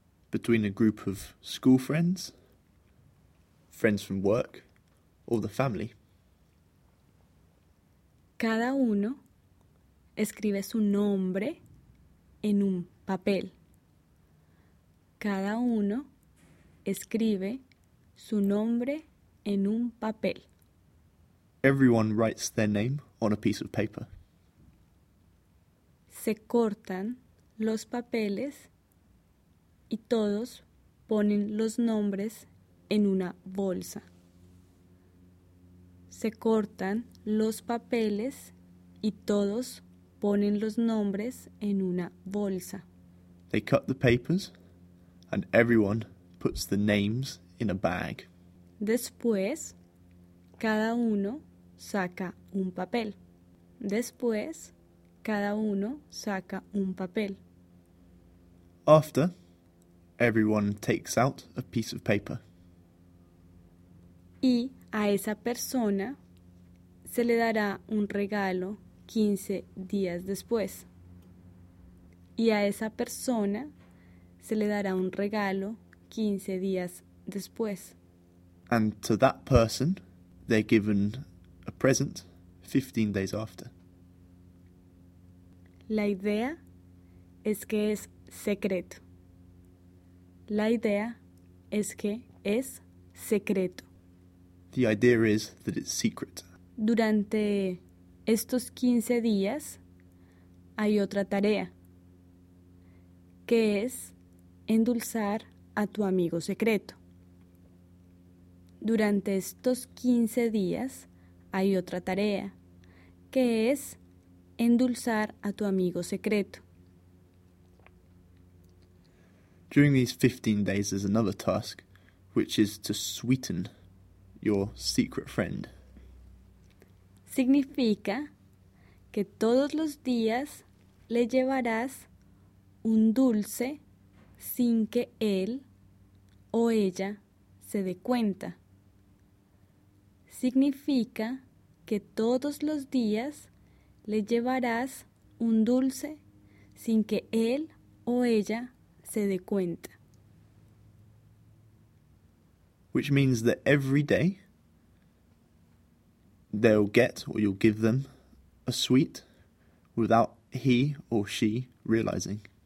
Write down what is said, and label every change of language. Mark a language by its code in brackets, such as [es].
[en] Between a group of school friends, friends from work or the family. [es] Cada uno escribe su nombre en un papel. Cada uno escribe su nombre en un papel. [en] Everyone writes their name on a piece of paper. [es] Se cortan los papeles y todos ponen los nombres en una bolsa. Se cortan los papeles y todos ponen los nombres en una bolsa. [en] They cut the papers and everyone puts the names in a bag. [es] Después, cada uno saca un papel. Después, cada uno saca un papel. [en] After, everyone takes out a piece of paper. [es] Y a esa persona se le dará un regalo 15 días después. Y a esa persona se le dará un regalo 15 días después. [en] And to that person, they're given a present 15 days after. [es] La idea es que es secreto. La idea es que es secreto. [en] The idea is that it's secret. [es] Durante estos 15 días hay otra tarea, que es endulzar a tu amigo secreto. Durante estos 15 días hay otra tarea, que es endulzar a tu amigo secreto. [en] During these 15 days there's another task, which is to sweeten your secret friend. [es] Significa que todos los días le llevarás un dulce sin que él o ella se dé cuenta. Significa que todos los días le llevarás un dulce sin que él o ella se dé cuenta. [en] Which means that every day they'll get or you'll give them a sweet without he or she realizing.